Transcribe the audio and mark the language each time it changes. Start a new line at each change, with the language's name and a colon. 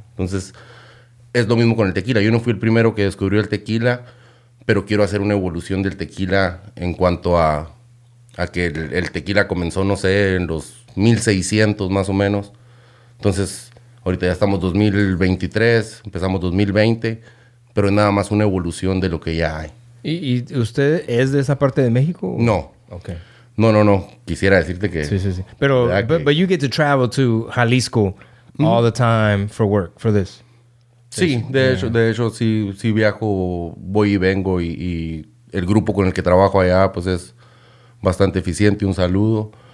Spanish: Entonces, es lo mismo con el tequila. Yo no fui el primero que descubrió el tequila, pero quiero hacer una evolución del tequila en cuanto a que el tequila comenzó, no sé, en los 1600 más o menos. Entonces... Ahorita ya estamos 2023, empezamos 2020, pero es nada más una evolución de lo que ya hay. ¿Y usted es de esa parte de México? No. Ok. No. Quisiera decirte que... Sí, sí, sí.
English: Pero you get to travel to Jalisco all the time for work, for this.
Spanish: Sí, de hecho sí viajo, voy y vengo y el grupo con el que trabajo allá pues es bastante eficiente, un saludo.